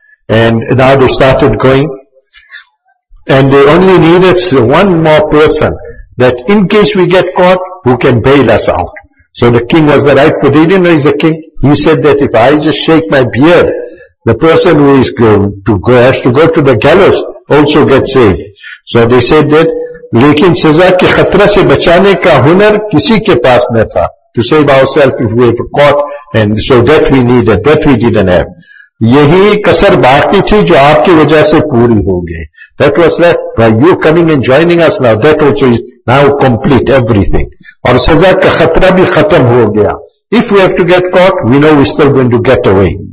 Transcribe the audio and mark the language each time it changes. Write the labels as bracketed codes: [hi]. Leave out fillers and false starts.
[en] And now they started going. And they only needed one more person that in case we get caught, who can bail us out. So the king was the right person. He didn't know he's a king. He said that if I just shake my beard, the person who is going to go, has to go to the gallows also gets saved. So they said that, [ur] لیکن سزا کے خطرہ سے بچانے کا ہنر کسی کے پاس نہ تھا. [en] To save ourselves if we have caught, and so that we needed, that we didn't have. [ur] Yehi kasar baaki thi jo aapki wajah se puri ho gayi. [en] That was left by you coming and joining us now. That also is now complete everything. [ur] Aur saza ka khatra bhi khatam ho gaya. [en] If we have to get caught, we know we're still going to get away.